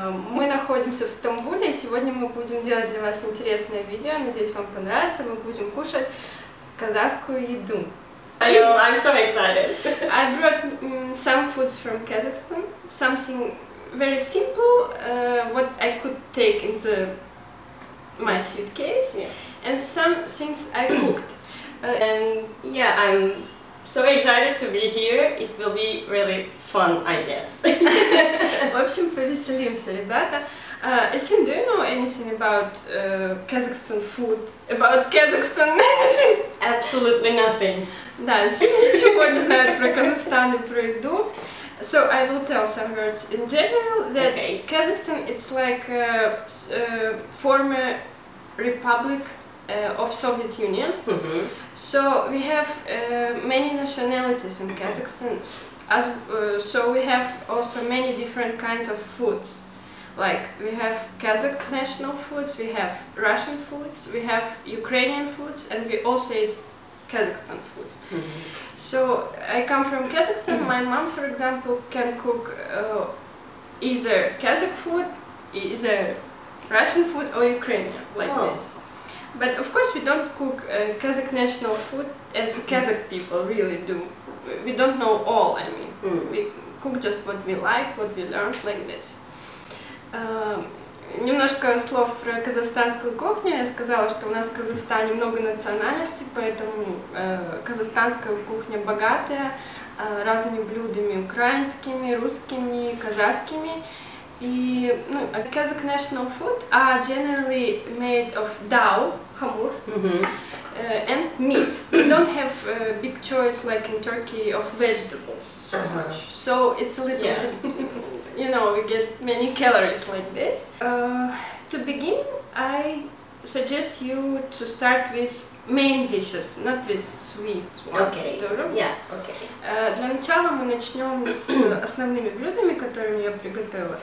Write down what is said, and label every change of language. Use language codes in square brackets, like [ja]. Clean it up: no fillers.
[ru] Мы находимся в Стамбуле, и сегодня мы будем делать для вас интересное видео. Надеюсь, вам понравится. Мы будем кушать казахскую еду. [en] I'm so excited. I brought some foods from Kazakhstan. Something very simple, what I could take in the my suitcase, and some things I cooked. And yeah, I'm so excited to be here. It will be really fun, I guess. [ru] В общем, повеселимся, ребята. [en] Эльчин, do you know anything about Kazakhstan food? About Kazakhstan? Absolutely nothing. [ru] Да, Эльчин ничего не знает про Казахстан и про еду. [en] So I will tell some words in general that Kazakhstan it's like a former republic of Soviet Union. So we have many nationalities in Kazakhstan. As so we have also many different kinds of foods. Like we have Kazakh national foods, we have Russian foods, we have Ukrainian foods, and we also eat Kazakhstan food. So I come from Kazakhstan. My mom, for example, can cook either Kazakh food, either Russian food or Ukrainian, like this. But of course, we don't cook Kazakh national food as Kazakh people really do. We don't know all. I mean, we cook just what we like, what we learn, like this. [ru] Немножко слов про казахстанскую кухню. Я сказала, что у нас в Казахстане много национальностей, поэтому казахстанская кухня богатая разными блюдами украинскими, русскими, казахскими. И, ну, [en] Kazakh national food are generally made of dal, хамур, and meat. We don't have a big choice like in Turkey of vegetables so much. So it's a little bit, you know, we get many calories like this. To begin, I suggest you to start with main dishes, not with sweet one. Okay. Yeah. Okay. [ru] Для начала мы начнем с основными блюдами, которыми я приготовила.